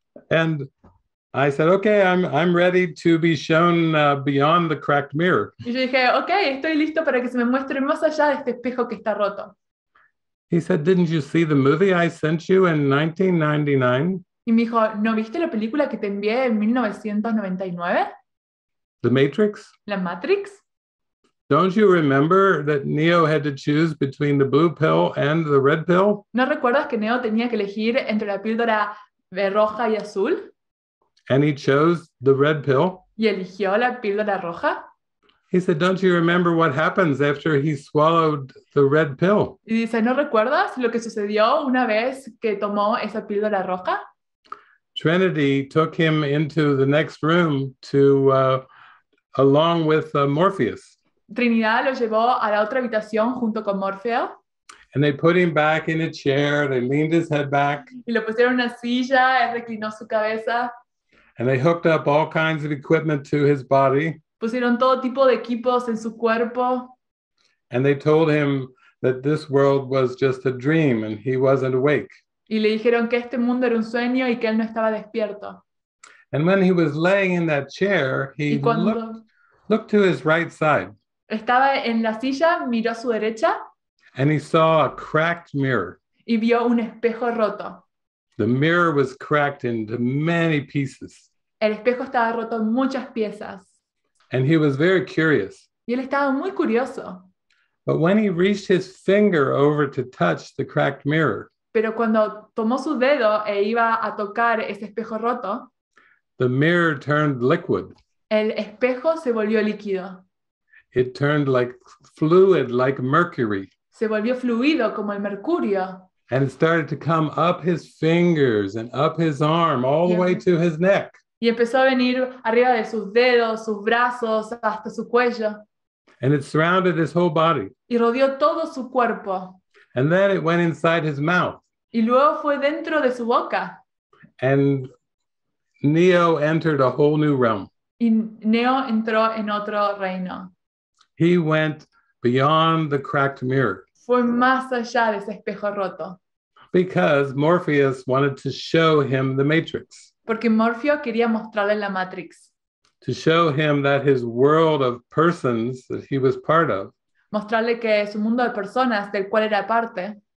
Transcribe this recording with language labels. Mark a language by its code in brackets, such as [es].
[en] And I said, okay, I'm ready to be shown beyond the cracked mirror. [es] Y yo dije, okay, estoy listo para que se me muestre más allá de este espejo que está roto. [en] He said, didn't you see the movie I sent you in 1999? [es] Y me dijo, ¿no viste la película que te envié en 1999? [en] The Matrix? [es] La Matrix? [en] Don't you remember that Neo had to choose between the blue pill and the red pill? [es] ¿No recuerdas que Neo tenía que elegir entre la píldora roja y azul? [en] And he chose the red pill. [es] ¿Y eligió la píldora roja? [en] He said, don't you remember what happens after he swallowed the red pill? [es] Y dice, ¿no recuerdas lo que sucedió una vez que tomó esa píldora roja? [en] Trinity took him into the next room to, along with Morpheus. [es] Trinidad lo llevó a la otra habitación junto con Morfeo. [en] And they put him back in a chair, they leaned his head back. [es] Y lo pusieron en una silla, él reclinó su cabeza. [en] And they hooked up all kinds of equipment to his body. [es] Pusieron todo tipo de equipos en su cuerpo. [en] And they told him that this world was just a dream and he wasn't awake. [es] Y le dijeron que este mundo era un sueño y que él no estaba despierto. [en] And when he was laying in that chair, he looked to his right side. [es] Estaba en la silla, miró a su derecha. [en] And he saw a cracked mirror. [es] Y vio un espejo roto. [en] The mirror was cracked into many pieces. [es] El espejo estaba roto en muchas piezas. [en] And he was very curious. [es] Y él estaba muy curioso. [en] But when he reached his finger over to touch the cracked mirror, [es] pero cuando tomó su dedo e iba a tocar ese espejo roto, [en] the mirror turned liquid. [es] El espejo se volvió líquido. [en] It turned like fluid, like mercury. [es] Se volvió fluido como el mercurio. [en] And it started to come up his fingers and up his arm all the way to his neck. [es] Y empezó a venir arriba de sus dedos, sus brazos, hasta su cuello. [en] And it surrounded his whole body. [es] Y rodeó todo su cuerpo. [en] And then it went inside his mouth. [es] Y luego fue dentro de su boca. [en] And Neo entered a whole new realm. [es] Y Neo entró en otro reino. [en] He went beyond the cracked mirror. [es] Fue más allá de ese espejo roto. [en] Because Morpheus wanted to show him the Matrix. [es] Porque Morfeo quería mostrarle la Matrix. [en] To show him that his world of persons that he was part of. [es] Mostrarle que su mundo de personas del cual era parte.